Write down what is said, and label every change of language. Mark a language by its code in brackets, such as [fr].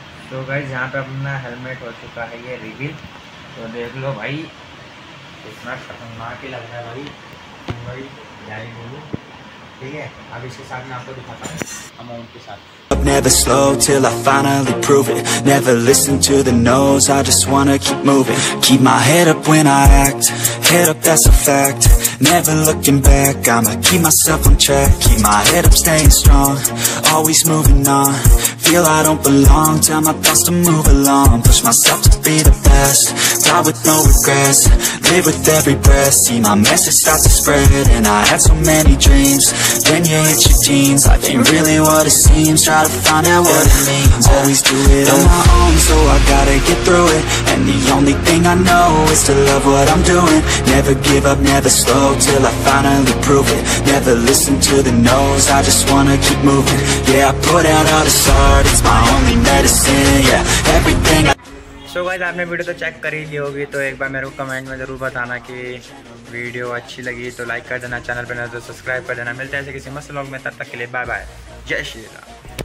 [hi] तो गाइस यहाँ पे अपना हेलमेट हो चुका है ये रिवील। तो देख लो भाई कितना खतरनाक ही लग रहा है भाई, भाई यही बोलूँ। ठीक है, अब इसके साथ मैं आपको दिखाता हूँ अमाउंट के साथ। [en] Never slow till I finally prove it. Never listen to the no's, I just wanna keep moving. Keep my head up when I act, head up that's a fact. Never looking back, I'ma keep myself on track. Keep my head up staying strong, always moving on. Feel I don't belong, tell my thoughts to move along. Push myself to be the best, die with no regrets. Live with every breath, see my message start to spread. And I had so many dreams, then you hit your teens. Life ain't really what it seems, try to find out what it means. Always do it on my own, so I gotta get through it. And the only thing I know is to love what I'm doing. Never give up, never slow, till I finally prove it. Never listen to the no's, I just wanna keep moving. Yeah, I put out all the art, it's my only medicine, yeah. Everything I... [hi] तो guys आपने video तो check कर ही ली होगी, तो एक बार मेरे को comment में ज़रूर बताना कि वीडियो अच्छी लगी तो लाइक कर देना, चैनल पर नज़र सब्सक्राइब कर देना। मिलते हैं ऐसे किसी मस्त व्लॉग में, तब तक के लिए बाय बाय, जय श्री राम।